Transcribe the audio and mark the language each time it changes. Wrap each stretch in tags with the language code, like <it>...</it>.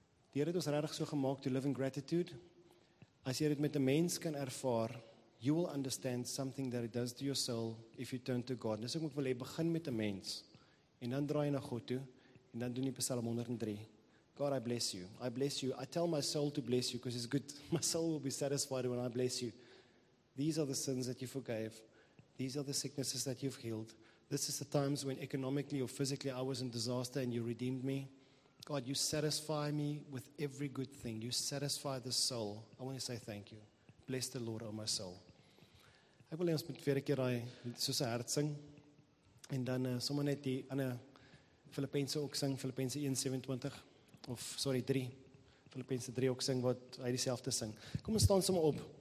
<af>Die Here het ons regtig so gemaak</af> <en>to live in gratitude.</en> <af>As jy dit met 'n mens kan ervaar,</af> <en>you will understand something that it does to your soul if you turn to God.</en> <af>Dis ek moet wel hê, begin met 'n mens en dan draai jy na God toe en dan doen jy Psalm 103.</af> <en>God, I bless you. I bless you. I tell my soul to bless you because it's good. My soul will be satisfied when I bless you. These are the sins that you forgave. These are the sicknesses that you've healed. This is the times when economically or physically I was in disaster and you redeemed me. God, you satisfy me with every good thing. You satisfy the soul. I want to say thank you. Bless the Lord, oh my soul.</en> <af>Ek wil ons met weer 'n keer daai soos 'n hart sing. En dan sommer net die ander Filippense ook sing, Filippense 1:27, of sorry, 3. Filippense 3 ook sing, wat hy dieselfde sing. Kom ons staan sommer op.</af>